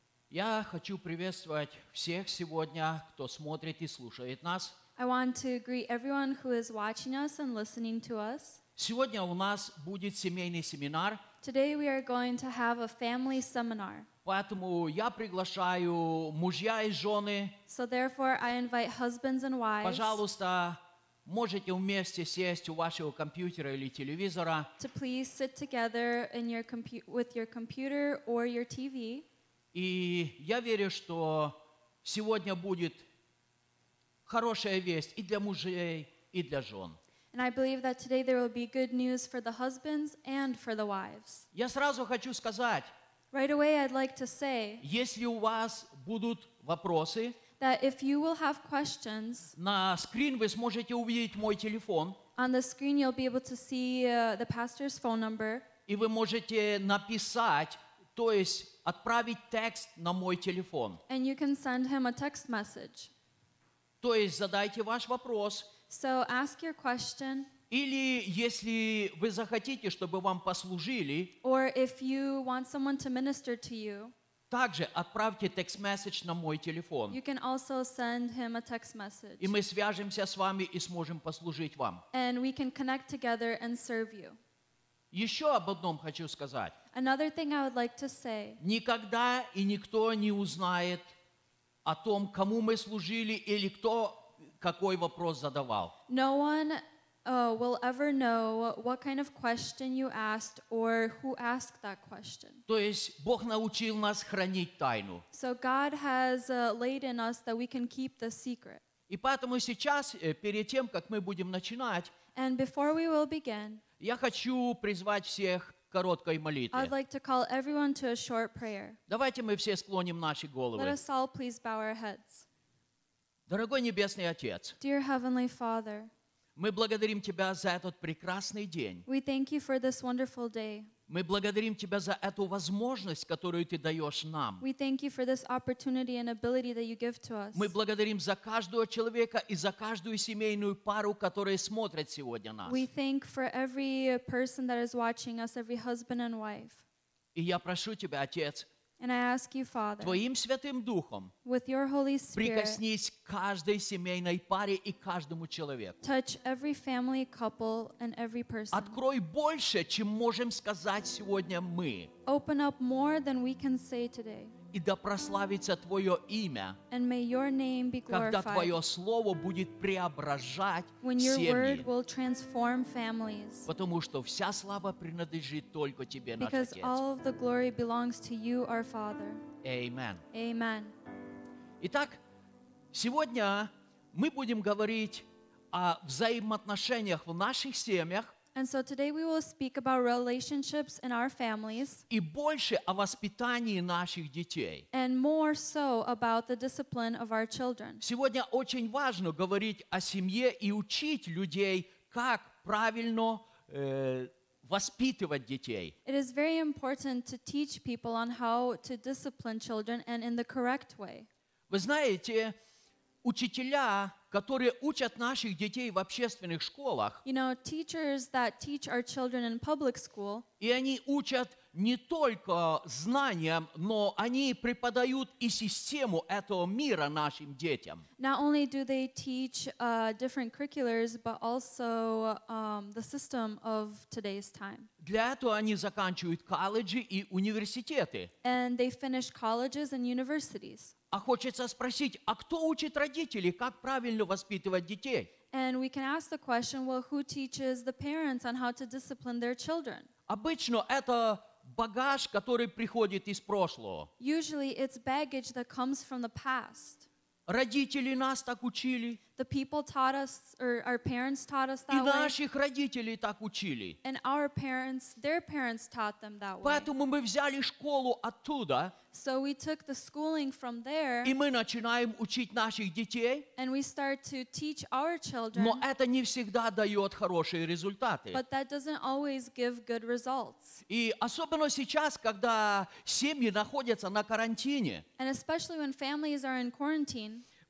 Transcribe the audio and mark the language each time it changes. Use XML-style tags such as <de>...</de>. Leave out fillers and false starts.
<ru>Я хочу приветствовать всех сегодня, кто смотрит и слушает нас.</ru> <en>I want to greet everyone who is watching us and listening to us.</en> <ru>Сегодня у нас будет семейный семинар.</ru> <en>Today we are going to have a family seminar.</en> <ru>Поэтому я приглашаю мужья и жены.</ru> <en>So therefore I invite husbands and wives.</en> <ru>Пожалуйста, можете вместе сесть у вашего компьютера или телевизора.</ru> <en>To please sit together in your with your computer or your TV.</en> <ru>И я верю, что сегодня будет хорошая весть и для мужей, и для жен.</ru> <en>And I believe that today there will be good news for the husbands and for the wives.</en> <ru>Я сразу хочу сказать.</ru> <en>Right away I'd like to say.</en> <ru>Если у вас будут вопросы.</ru> <en>That if you will have questions.</en> <ru>На скрин вы сможете увидеть мой телефон.</ru> <en>On the screen you'll be able to see the pastor's phone number.</en> <ru>И вы можете написать, то есть отправить текст на мой телефон.</ru> <en>And you can send him a text message.</en> <ru>То есть задайте ваш вопрос.</ru> <en>So ask your question.</en> <ru>Или если вы захотите, чтобы вам послужили.</ru> <en>Or if you want someone to minister to you.</en> <ru>Также отправьте текст-месседж на мой телефон.</ru> <en>You can also send him a text message.</en> <ru>И мы свяжемся с вами и сможем послужить вам.</ru> <en>And we can connect together and serve you.</en> <ru>Еще об одном хочу сказать.</ru> <en>Another thing I would like to say.</en> <ru>Никогда и никто не узнает о том, кому мы служили или кто какой вопрос задавал.</ru> <en>No one will ever know what kind of question you asked or who asked that question.</en> <ru>То есть Бог научил нас хранить тайну.</ru> <en>So God has laid in us that we can keep the secret.</en> <ru>И поэтому сейчас, перед тем, как мы будем начинать,</ru> <en>and before we will begin,</en> <ru>я хочу призвать всех к короткой молитве.</ru> <en>I'd like to call everyone to a short prayer.</en> <ru>Давайте мы все склоним наши головы.</ru> <en>Let us all please bow our heads.</en> <ru>Дорогой Небесный Отец,</ru> <en>Dear Heavenly Father,</en> <ru>мы благодарим Тебя за этот прекрасный день.</ru> <en>We thank you for this wonderful day.</en> <ru>Мы благодарим Тебя за эту возможность, которую Ты даешь нам.</ru> <en>We thank you for this opportunity and ability that you give to us.</en> <ru>Мы благодарим за каждого человека и за каждую семейную пару, которые смотрят сегодня нас.</ru> <en>We thank for every person that is watching us, every husband and wife.</en> <ru>И я прошу Тебя, Отец,</ru> <en>And I ask you, Father,</en> <ru>Твоим Святым Духом,</ru> <en>with your Holy Spirit,</en> <ru>прикоснись к каждой семейной паре и каждому человеку.</ru> <en>Touch every family, couple, and every person.</en> <ru>Открой больше, чем можем сказать сегодня мы.</ru> <en>Open up more than we can say today.</en> <ru>И да прославится Твое имя,</ru> <en>and may your name be glorified,</en> <ru>когда Твое Слово будет преображать</ru> <en>when your</en> <ru>семьи.</ru> <en>Word will transform families.</en> <ru>Потому что вся слава принадлежит только Тебе, наш</ru> <en>Because</en> <ru>Отец.</ru> <en>All of the glory belongs to you, our Father. Amen. Amen.</en> <ru>Итак, сегодня мы будем говорить о взаимоотношениях в наших семьях.</ru> <en>And so today we will speak about relationships in our families.</en> <ru>И больше о воспитании наших детей.</ru> <en>And more so about the discipline of our children.</en> <ru>Сегодня очень важно говорить о семье и учить людей, как правильно воспитывать детей.</ru> <en>It is very important to teach people on how to discipline children and in the correct way.</en> <ru>Вы знаете, учителя, которые учат наших детей в общественных школах,</ru> <en>you know, teachers that teach our children in public school,</en> <ru>и они учат не только знаниям, но они преподают и систему этого мира нашим детям.</ru> <en>Not only do they teach different curriculars, but also the system of today's time.</en> <ru>Для этого они заканчивают колледжи и университеты.</ru> <en>And they finish colleges and universities.</en> <ru>А хочется спросить, а кто учит родителей, как правильно воспитывать детей?</ru> <en>And we can ask the question, well, who teaches the parents on how to discipline their children?</en> <ru>Обычно это багаж, который приходит из прошлого.</ru> <en>Usually it's baggage that comes from the past.</en> <ru>Родители нас так учили.</ru> <en>The people taught us, or our parents taught us that way.</en> <ru>И наших родителей так учили.</ru> <en>And our parents, their parents taught them that way.</en> <ru>Поэтому мы взяли школу оттуда.</ru> <en>So we took the schooling from there.</en> <ru>И мы начинаем учить наших детей.</ru> <en>And we start to teach our children.</en> <ru>Но это не всегда дает хорошие результаты.</ru> <en>But that doesn't always give good results.</en> <ru>И особенно сейчас, когда семьи находятся на карантине.</ru> <en>And especially when families are in quarantine.</en>